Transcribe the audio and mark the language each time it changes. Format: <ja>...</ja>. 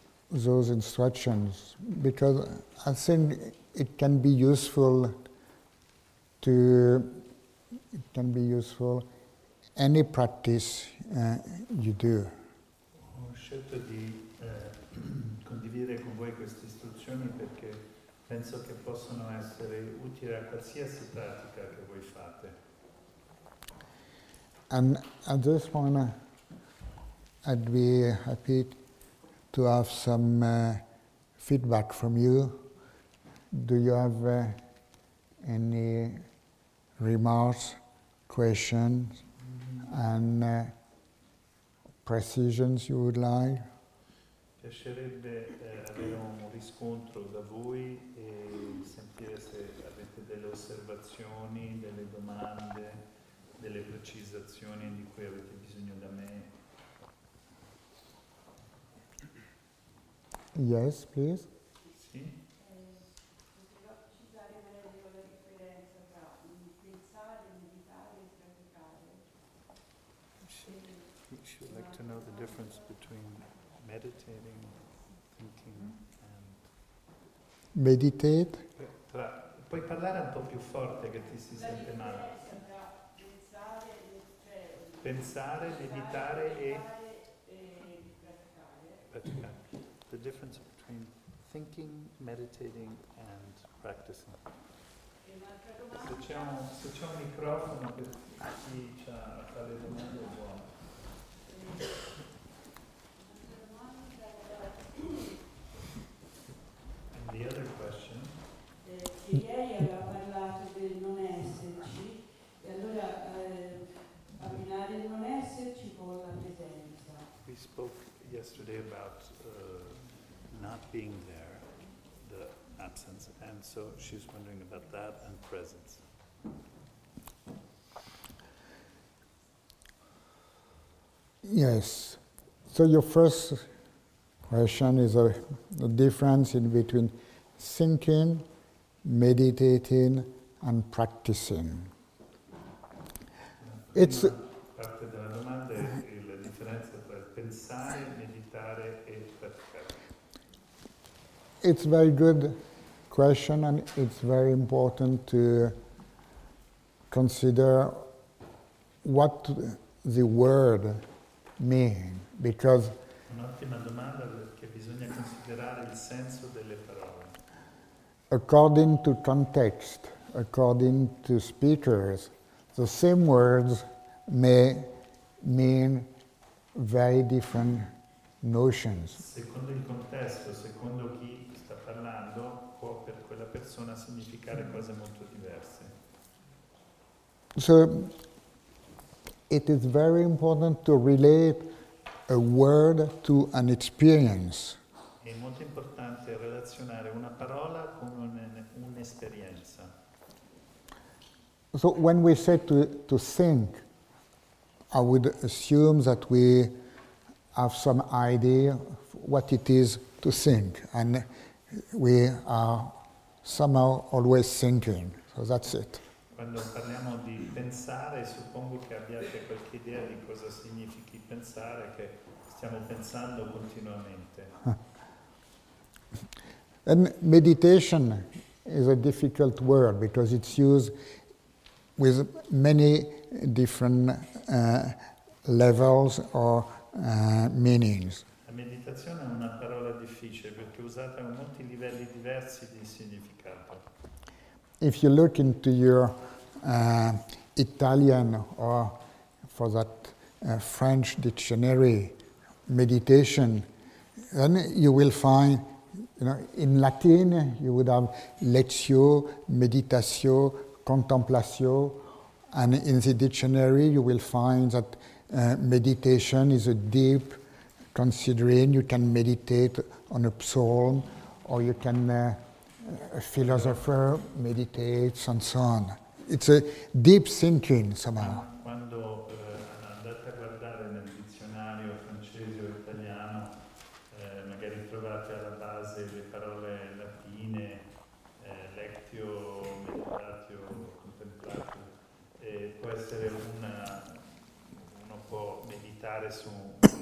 <en>those instructions, because I think it can be useful to any practice you do.</en> <it>Ho scelto di condividere con voi queste istruzioni perché penso che possano essere utili a qualsiasi pratica che voi fate.</it> <en>And at this point, I'd be happy to have some feedback from you. Do you have any remarks, questions, and precisions you would like?</en> <it>Piacerebbe avere un riscontro da voi e sentire se avete delle osservazioni, delle domande, delle precisazioni di cui avete bisogno da me.</it> <en>Yes, please.</en> <it>Sì. Potrò citare meglio la differenza tra pensare, meditare e praticare.</it> <en>She would like to know the difference between meditating, thinking, and meditate.</en> <it>Puoi parlare un po' più forte che ti si sente male. Pensare, pensare, meditare e praticare.</it> <en>The difference between thinking, meditating, and practicing.</en> <it>Se c'è un microfono per chi ha fare domande, buono.</it> <en>And the other question.</en> <it>Che ieri aveva parlato del non esserci, e allora abbinare il non esserci con la presenza.</it> <en>We spoke yesterday about not being there, the absence, and so she's wondering about that and presence. Yes. So your first question is the difference in between thinking, meditating, and practicing.</en> <it>It's parte della domanda è la differenza tra pensare, meditare e praticare.</it> <en>It's a very good question, and it's very important to consider what the word mean, because</en> <it>un'ottima domanda perché bisogna considerare il senso delle parole.</it> <en>According to context, according to speakers, the same words may mean very different notions.</en> <it>Secondo il contesto, secondo chi sta parlando, può per quella persona significare cose molto diverse.</it> <en>So it is very important to relate a word to an experience.</en> <it>È molto importante relazionare una parola con un'esperienza.</it> <en>So when we say to think, I would assume that we have some idea of what it is to think, and we are somehow always thinking. So that's it.</en> <it>Quando parliamo di pensare, suppongo che abbiate qualche idea di cosa significhi pensare, che stiamo pensando continuamente.</it> <en>And meditation is a difficult word because it's used with many different levels or meanings.</en> <it>La meditazione è una parola difficile perché è usata a molti livelli diversi di significato.</it> <en>If you look into your Italian or for that French dictionary meditation, then you will find, you know, in Latin you would have lectio, meditatio, contemplatio, and in the dictionary you will find that meditation is a deep considering. You can meditate on a psalm, or you can a philosopher meditates and so on. It's a deep thinking somehow.</en> <it>Quando andate a guardare nel dizionario francese o italiano, magari trovate alla base le parole latine, lectio, meditatio, contemplatio, può essere uno può meditare su un</it>